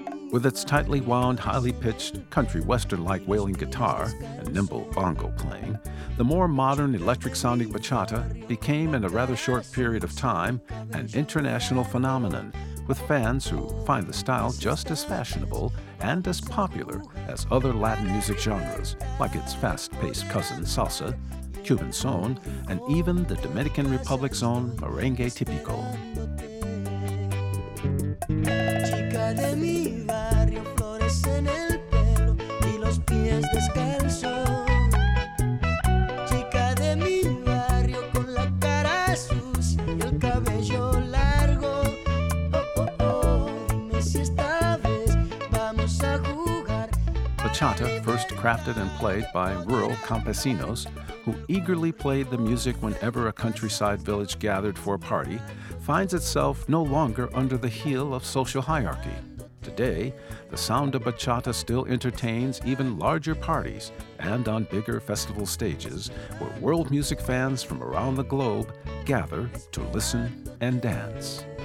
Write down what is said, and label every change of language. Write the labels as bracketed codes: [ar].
[en] With its tightly wound, highly pitched, country western-like wailing guitar and nimble bongo playing, the more modern electric-sounding bachata became, in a rather short period of time, an international phenomenon, with fans who find the style just as fashionable and as popular as other Latin music genres, like its fast-paced cousin salsa, Cuban son, and even the Dominican Republic's own merengue típico. [es] Chica de mi barrio, flores en el pelo y los pies descalzos. Chica de mi barrio, con la cara sucia y el cabello largo. Oh, oh, oh, dime si esta vez vamos a jugar. [en] Bachata, first crafted and played by rural campesinos, who eagerly played the music whenever a countryside village gathered for a party, finds itself no longer under the heel of social hierarchy. Today, the sound of bachata still entertains even larger parties and on bigger festival stages where world music fans from around the globe gather to listen and dance.